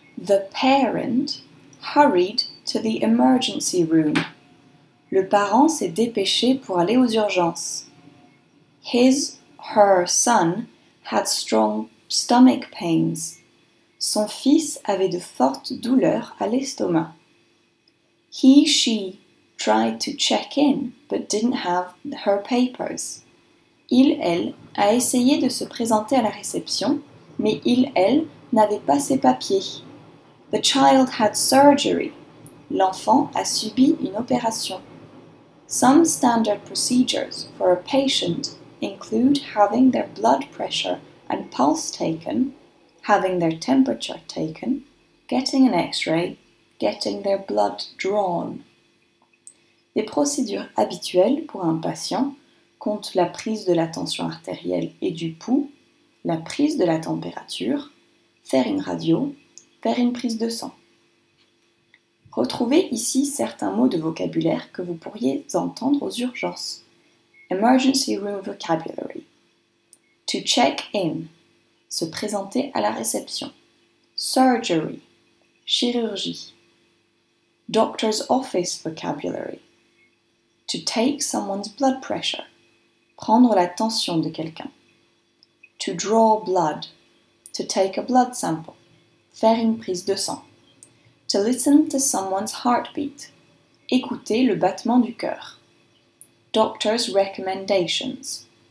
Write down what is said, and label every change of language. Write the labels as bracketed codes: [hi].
[en] The parent hurried to the emergency room. [fr] Le parent s'est dépêché pour aller aux urgences. [en] His, her son had strong stomach pains. [fr] Son fils avait de fortes douleurs à l'estomac. [en] He, she tried to check in but didn't have her papers. [fr] Il, elle a essayé de se présenter à la réception, mais il, elle n'avait pas ses papiers. [en] The child had surgery. [fr] L'enfant a subi une opération. [en] Some standard procedures for a patient include having their blood pressure and pulse taken, having their temperature taken, getting an X-ray, getting their blood drawn. [fr] Les procédures habituelles pour un patient comptent la prise de la tension artérielle et du pouls, la prise de la température, faire une radio, faire une prise de sang. Retrouvez ici certains mots de vocabulaire que vous pourriez entendre aux urgences. [en] Emergency room vocabulary. To check in. [fr] Se présenter à la réception. [en] Surgery. Chirurgie. Doctor's office vocabulary. To take someone's blood pressure. [fr] Prendre la tension de quelqu'un. [en] To draw blood. To take a blood sample. [fr] Faire une prise de sang. [en] To listen to someone's heartbeat. [fr] Écouter le battement du cœur. [en] Doctor's recommendations.